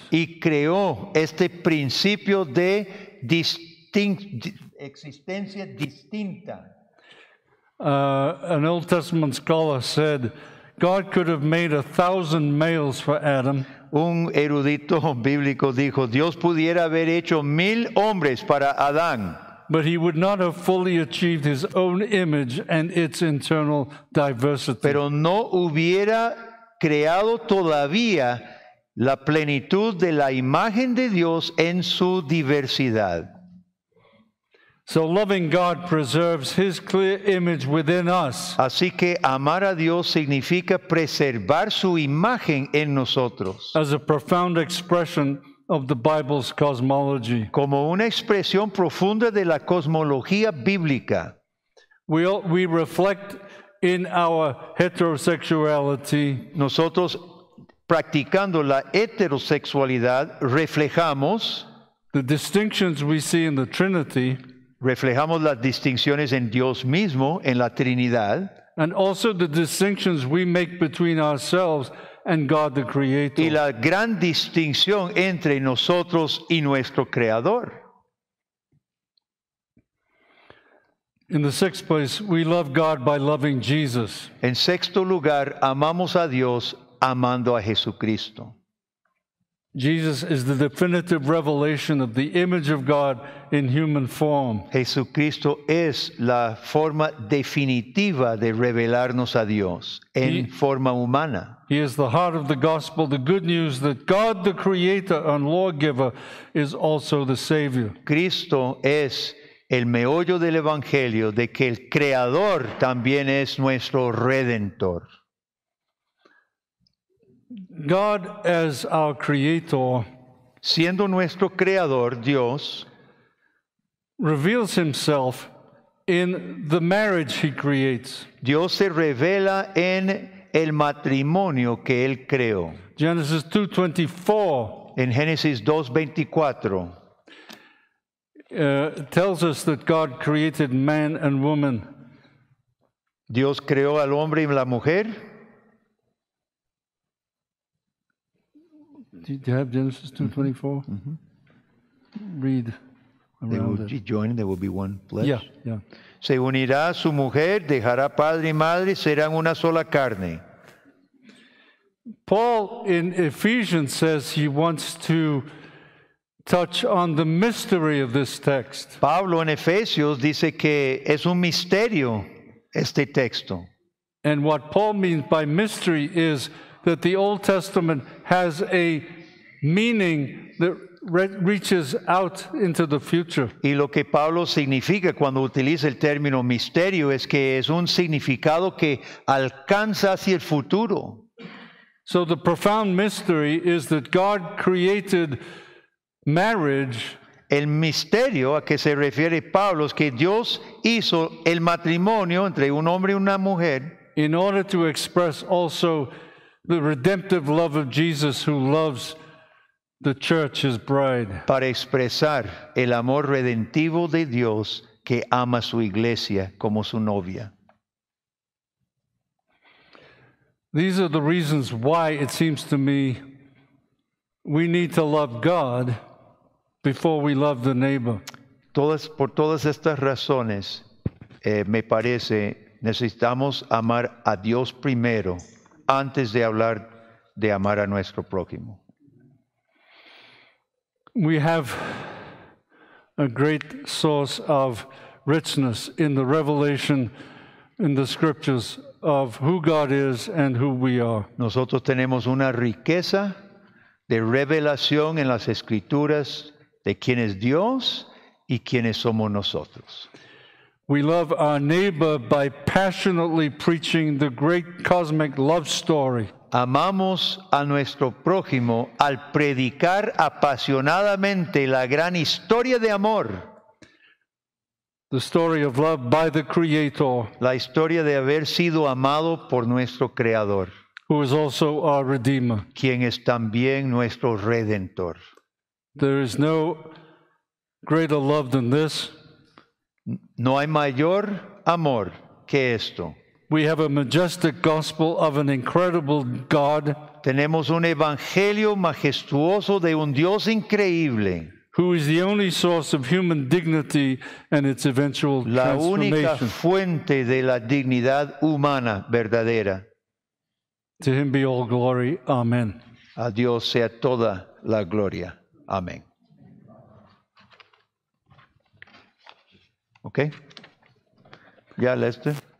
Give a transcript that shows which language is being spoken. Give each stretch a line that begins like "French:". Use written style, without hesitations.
Spanish: Y creó este principio de existencia distinta.
English: An Old Testament scholar said, God could have made 1,000 males for Adam.
Spanish: Un erudito bíblico dijo, Dios pudiera haber hecho 1,000 hombres para Adán.
English: But he would not have fully achieved his own image and its internal diversity.
Spanish: Pero no hubiera creado todavía la plenitud de la imagen de Dios en su diversidad.
English: So loving God preserves his clear image within us.
Spanish: Así que amar a Dios significa preservar su imagen en nosotros.
English: As a profound expression of the Bible's cosmology.
Spanish: Como una expresión profunda de la cosmología bíblica.
English: We reflect in our heterosexuality.
Spanish: Nosotros practicando la heterosexualidad reflejamos
English: the distinctions we see in the Trinity.
Spanish: Reflejamos las distinciones en Dios mismo, en la Trinidad.
English: And also the distinctions we make between ourselves and God the Creator.
Spanish: Y la gran distinción entre nosotros y nuestro Creador.
English: In the sixth place, we love God by loving Jesus.
Spanish: En sexto lugar, amamos a Dios amando a Jesucristo.
English: Jesus is the definitive revelation of the image of God in human form.
Spanish: Jesucristo es la forma definitiva de revelarnos a Dios en forma humana.
English: He is the heart of the gospel, the good news that God the Creator and Lawgiver is also the Savior.
Spanish: Cristo es el meollo del Evangelio de que el Creador también es nuestro Redentor.
English: God as our creator,
Spanish: siendo nuestro creador Dios,
English: reveals himself in the marriage he creates.
Spanish: Dios se revela en el matrimonio que él creó.
English: Genesis 2:24,
Spanish: en Génesis 2:24,
English: tells us that God created man and woman.
Spanish: Dios creó al hombre y la mujer.
English: Do you have Genesis 2:24? Read around they will be joined, there will be one flesh. Yeah, yeah.
Spanish: Se unirá a su mujer, dejará padre y madre, serán una sola carne.
English: Paul in Ephesians says he wants to touch on the mystery of this text.
Spanish: Pablo en Efesios dice que es un misterio este texto.
English: And what Paul means by mystery is that the Old Testament has a meaning that reaches out into the future.
Spanish: Y lo que Pablo significa cuando utiliza el término misterio es que es un significado que alcanza hacia el futuro.
English: So the profound mystery is that God created marriage.
Spanish: El misterio a que se refiere Pablo es que Dios hizo el matrimonio entre un hombre y una mujer
English: in order to express also the redemptive love of Jesus who loves the church, his bride.
Spanish: Para expresar el amor redentivo de Dios que ama su iglesia como su novia.
English: These are the reasons why it seems to me we need to love God. before we love the neighbor.
Spanish: Todas, por todas estas razones, me parece, necesitamos amar a Dios primero antes de hablar de amar a nuestro prójimo.
English: We have a great source of richness in the revelation in the scriptures of who God is and who we are.
Spanish: Nosotros tenemos una riqueza de revelación en las escrituras de quién es Dios y quiénes somos nosotros.
English: We love our neighbor by passionately preaching the great cosmic love story.
Spanish: Amamos a nuestro prójimo al predicar apasionadamente la gran historia de amor.
English: The story of love by the Creator.
Spanish: La historia de haber sido amado por nuestro Creador.
English: Who is also our Redeemer.
Spanish: Quien es también nuestro Redentor.
English: There is no greater love than this.
Spanish: No hay mayor amor que esto.
English: We have a majestic gospel of an incredible God.
Spanish: Tenemos un evangelio majestuoso de un Dios increíble.
English: Who is the only source of human dignity and its eventual transformation.
Spanish: La única fuente de la dignidad humana verdadera.
English: To him be all glory. Amen.
Spanish: A Dios sea toda la gloria. Amén.
English: Okay. Yeah, Lester.